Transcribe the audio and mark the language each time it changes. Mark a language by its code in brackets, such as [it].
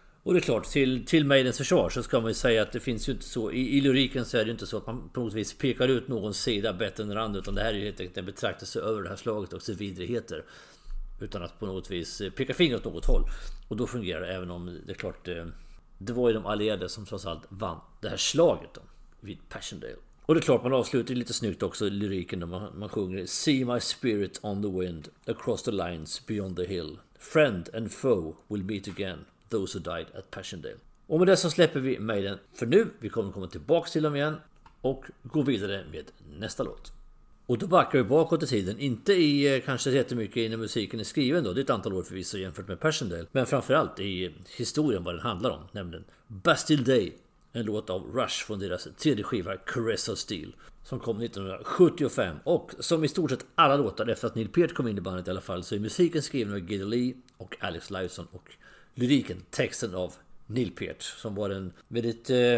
[sv] Och det är klart, till Maidens försvar så ska man ju säga att det finns ju inte så, i lyriken så är det ju inte så att man på något vis pekar ut någon sida bättre än den andra, utan det här är ju helt enkelt en betraktelse över det här slaget och vidrigheter, utan att på något vis peka finger åt något håll. Och då fungerar det, även om det är klart, det var ju de allierade som trots allt vann det här slaget då, vid Passchendaele. Och det är klart, man avslutar lite snyggt också lyriken när man sjunger [en] "See my spirit on the wind, across the lines, beyond the hill. Friend and foe will meet again, those who died at Passchendaele." [sv] Och med det så släpper vi Maiden för nu. Vi kommer komma tillbaka till dem igen och gå vidare med nästa låt. Och då backar vi bakåt i tiden, inte i kanske jättemycket innan musiken är skriven då, det är ett antal år förvisso jämfört med Passchendaele, men framförallt i historien, vad den handlar om, nämligen Bastille Day, en låt av Rush från deras tredje skiva Caress of Steel, som kom 1975, och som i stort sett alla låtar efter att Neil Peart kom in i bandet i alla fall, så är musiken skriven av Geddy Lee och Alex Lifeson, och lyriken, texten av Neil Peart, som var en väldigt...